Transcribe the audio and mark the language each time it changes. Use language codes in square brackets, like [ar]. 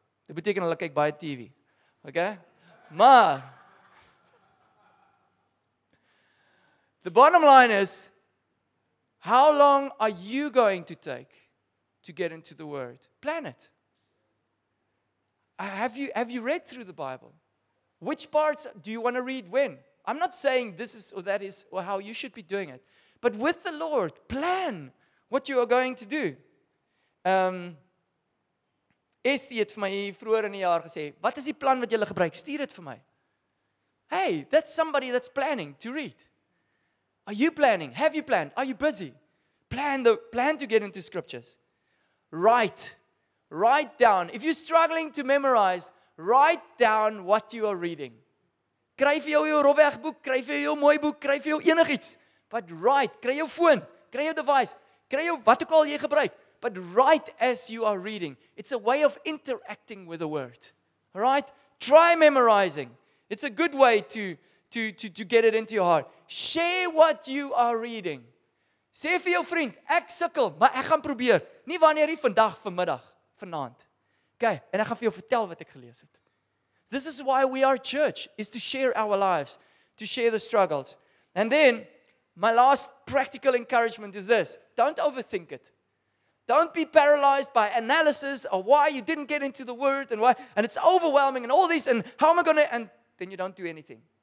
[af] Dit beteken hulle kyk baie TV. Okay? Maar [en] the bottom line is, how long are you going to take to get into the Word? Plan it. Have you read through the Bible? Which parts do you want to read when? I'm not saying this is or that is or how you should be doing it. But with the Lord, plan what you are going to do. [af] Estie het vir my vroeër in die jaar gesê, wat is die plan wat jy wil gebruik? Stuur dit vir my. [en] Hey, that's somebody that's planning to read. Are you planning? Have you planned? Are you busy? Plan to get into scriptures. Write down. If you're struggling to memorize, write down what you are reading. [af] Kry vir jou rofwegboek, kry vir jou mooi boek, kry vir jou enigiets. [en] But write, [af] kry jou foon, kry jou device, kry jou wat ook al jy gebruik. [en] But write as you are reading. It's a way of interacting with the word. All right? Try memorizing. It's a good way to get it into your heart. Share what you are reading. [af] Sê vir jou vriend, ek sukkel, maar ek gaan probeer. Nie wanneer nie, vandag, vanmiddag, vanaand. Okay, en ek gaan vir jou vertel wat ek gelees het. [en] This is why we are church, is to share our lives, to share the struggles. And then my last practical encouragement is this. Don't overthink it. Don't be paralyzed by analysis of why you didn't get into the word and why, and it's overwhelming and all this, and how am I going to, and then you don't do anything.